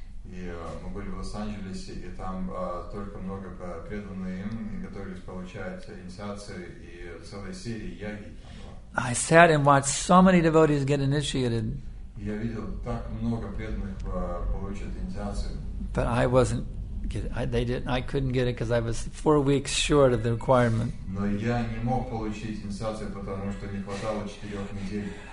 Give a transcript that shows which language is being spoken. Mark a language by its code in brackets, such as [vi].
[ru] Мы были в Лос-Анджелесе, и там только много преданных им готовились получать инициации и целая серия яги. [en] I sat and watched so many devotees get initiated. [ru] Я видел так много преданных получать инициацию. [en] But I wasn't. I couldn't get it because I was 4 weeks short of the requirement. [ru] Но я не мог получить инициацию, потому что не хватало 4 недель.